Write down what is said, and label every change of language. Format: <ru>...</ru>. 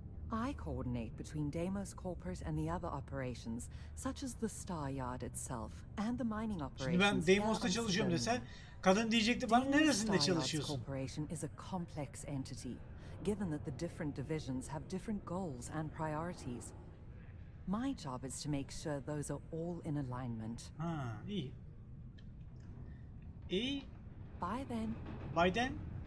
<en>I coordinate between Deimos Corporate and the other operations, such as the Star Yard itself and the mining operations.</en> <tr>Şimdi ben Deimos'ta çalışıyorum dese, kadın diyecekti bana neresinde çalışıyorsun?</tr> <en>Deimos Corporation is a complex entity, given that the different divisions have different goals and priorities. My job is to make sure those are all in alignment.</en> <tr>Ha, iyi.</tr> <en>Bye then.</en>